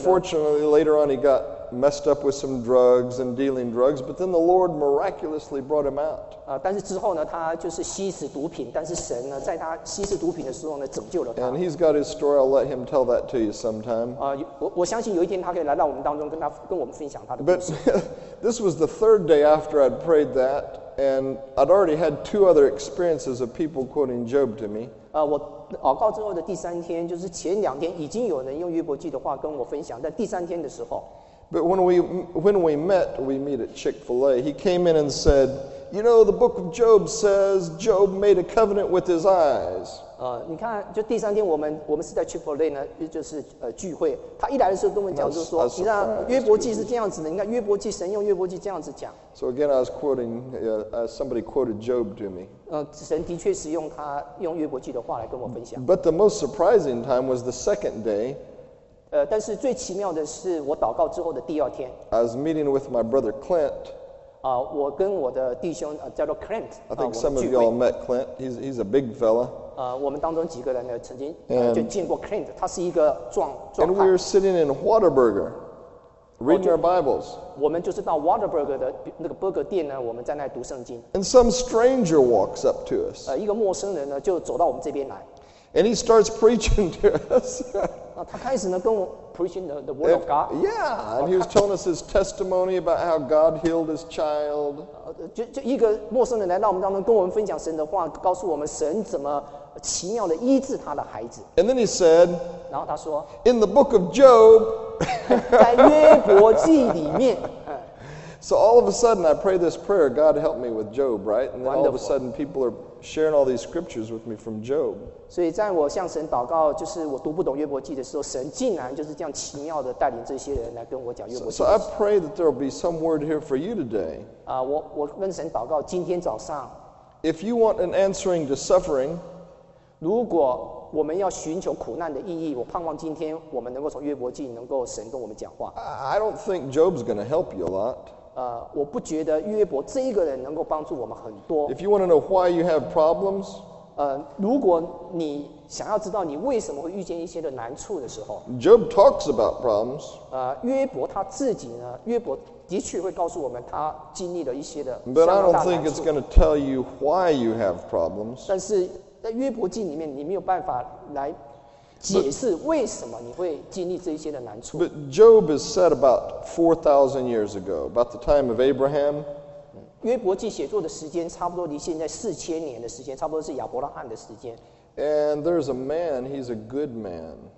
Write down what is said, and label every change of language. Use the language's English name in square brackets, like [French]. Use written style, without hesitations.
[English] Unfortunately, later on, he got messed up with some drugs and dealing drugs, but then the Lord miraculously brought him out. [Chinese] 但是之后呢，他就是吸食毒品，但是神呢，在他吸食毒品的时候呢，拯救了他。 [English] And he's got his story. I'll let him tell that to you sometime. [Chinese] 我相信有一天他可以来到我们当中，跟我们分享他的故事。 [English] But this was the third day after I'd prayed that, and I'd already had two other experiences of people quoting Job to me. [Chinese] 我祷告之后的第三天，就是前两天已经有人用约伯记的话跟我分享，在第三天的时候。 [English] But when we met, we meet at Chick-fil-A. He came in and said, "You know, the book of Job says Job made a covenant with his eyes." [Chinese] 你看，就第三天我们是在 Chick-fil-A 呢，就是聚会。他一来的时候跟我们讲，就说，你看约伯记是这样子的。你看约伯记，神用约伯记这样子讲。 [English] So again, I was quoting, somebody quoted Job to me. [Chinese] 神的确是用约伯记的话来跟我分享。 [English] But the most surprising time was the second day. [Chinese] 但是最奇妙的是我祷告之后的第二天。 [English] I was meeting with my brother Clint. [Chinese] 我跟我的弟兄叫做 Clint. [English] I think some of y'all met Clint. He's a big fella. [Chinese] 我们当中几个人呢曾经就见过 Clint. 他是一个壮汉。 [English] And we were sitting in Whataburger, reading our Bibles. [Chinese] 我们就是到 Whataburger 的那个 burger 店呢，我们在那读圣经。 [English] And some stranger walks up to us. [Chinese] 一个陌生人呢就走到我们这边来。 [English] And he starts preaching to us. [Chinese] 他开始呢跟我 [English] preaching the word of God. Yeah, and he was telling us his testimony about how God healed his child. [Chinese] 就一个陌生人来到我们当中，跟我们分享神的话，告诉我们神怎么奇妙的医治他的孩子。 [English] And then he said, [Chinese] 然后他说 [English] in the book of Job, [Chinese] 在约伯记里面。 [English] So all of a sudden, I pray this prayer, God help me with Job, right? And then all of a sudden, people are sharing all these scriptures with me from Job. [Chinese] 所以在我向神祷告，就是我读不懂约伯记的时候，神竟然就是这样奇妙的带领这些人来跟我讲约伯记的 [English] 事。So I pray that there will be some word here for you today. [Chinese] 我跟神祷告，今天早上。 [English] If you want an answering to suffering, [Chinese] 如果我们要寻求苦难的意义，我盼望今天我们能够从约伯记能够神跟我们讲话。 [English] I don't think Job's going to help you a lot. [Chinese] 我不觉得约伯这一个人能够帮助我们很多。 [English] If you want to know why you have problems, [Chinese] 如果你想要知道你为什么会遇见一些的难处的时候 [English] ，Job talks about problems. [Chinese] 约伯他自己呢，约伯的确会告诉我们他经历了一些的。 [English] But I don't think it's going to tell you why you have problems. [Chinese] 但是在约伯记里面，你没有办法来解释为什么你会经历这些的难处。 [English] But Job is said about 4,000 years ago, about the time of Abraham. [Chinese] 约伯记写作的时间差不多离现在4000年的时间，差不多是亚伯拉罕的时间。 [English] And there's a man, he's a good man.